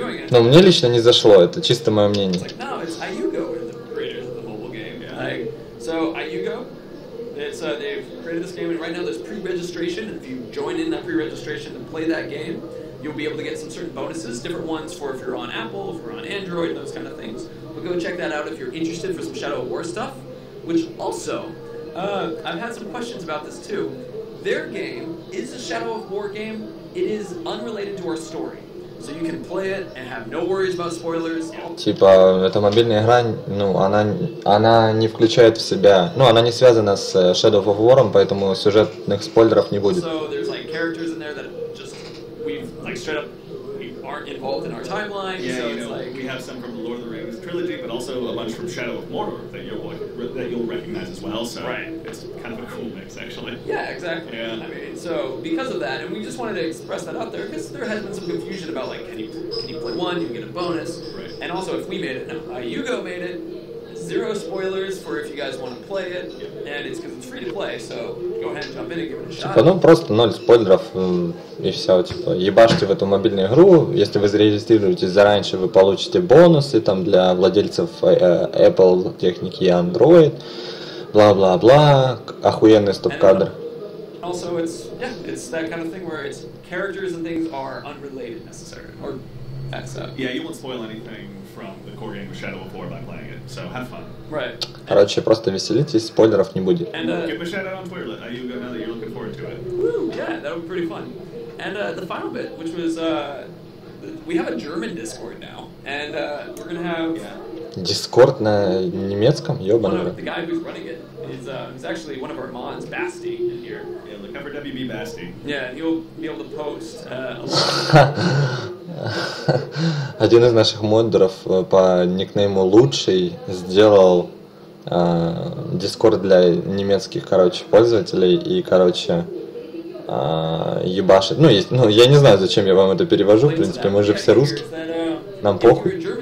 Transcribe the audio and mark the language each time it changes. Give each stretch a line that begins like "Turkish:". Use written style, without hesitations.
Russian: Но мне лично не зашло, это чисто мое мнение.
English: Like, no, thing. So you go. It's they've created this game, and right now there's pre-registration. And if you join in that pre-registration and play that game, you'll be able to get some certain bonuses, different ones for if you're on Apple, if you're on Android, those kind of things. But go check that out if you're interested for some Shadow of War stuff. Which also, I've had some questions about this too. Their game is a Shadow of War game. It is unrelated to our story. So you can play it and have no worries about spoilers.
Russian: Типа, эта мобильная игра, ну, она не включает в себя... Ну, она не связана с Shadow of War, поэтому сюжетных спойлеров не будет.
English: So there's like characters in there that just... We've like straight up... We aren't involved in our timeline. Yeah, so you know, it's like, we have some from the Lord of the Rings trilogy, but also a bunch from Shadow of Mordor that you'll recognize as well. So right. It's kind of a cool mix, actually. Yeah, exactly. Yeah. I mean, so because of that, and we just wanted to express that out there, because there has been some confusion about, like, can you play one, you can get a bonus. Right. And also, if we made it, no, Hugo made it. Zero spoilers for if you guys want to play it. Yep. And it's because it's free to play, so go ahead and jump in and give it a shot.
Russian: Типа, ну, просто ноль спойлеров, и все, типа, ебашьте в эту мобильную игру. Если вы зарегистрируетесь заранее, вы получите бонусы там для владельцев Apple техники и Android. Бла-бла-бла. Охуенный стоп-кадр.
English: Also, it's that kind of thing where it's characters and things are unrelated necessarily. Or that's Yeah, you won't spoil anything from the core game of Shadow of War by playing it, so have fun. Right.
Russian: Короче, просто веселитесь, спойлеров не будет.
English: And give a shout out on Twitter, now you're looking forward to it. Woo, yeah, that would be pretty fun. And the final bit, which was, we have a German Discord now, and we're gonna have... Yeah.
Russian: Discord на немецком? Ёбаный.
English: The guy who's running it is actually one of our mods, Basti, in here. Yeah, look up for WB Basti. Yeah, he'll be able to post a lot.
Russian: Один из наших моддеров по никнейму Лучший сделал Дискорд для немецких, короче, пользователей и, короче, ебашит. Ну, я не знаю, зачем я вам это перевожу, в принципе, мы же все русские, нам похуй.